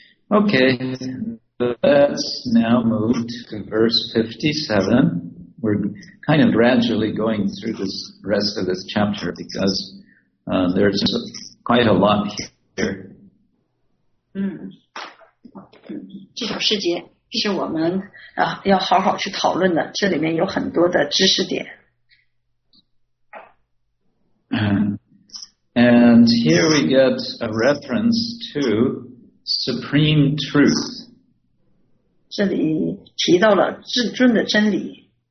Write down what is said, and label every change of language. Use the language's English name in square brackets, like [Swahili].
[English] Okay, let's now move to verse 57. We're kind of gradually going through this rest of this chapter because there's quite a lot here. [Chinese] 这条世界是我们要好好去讨论的，这里面有很多的知识点。 [English] And here we get a reference to supreme truth. [Chinese] 这里提到了至尊的真理。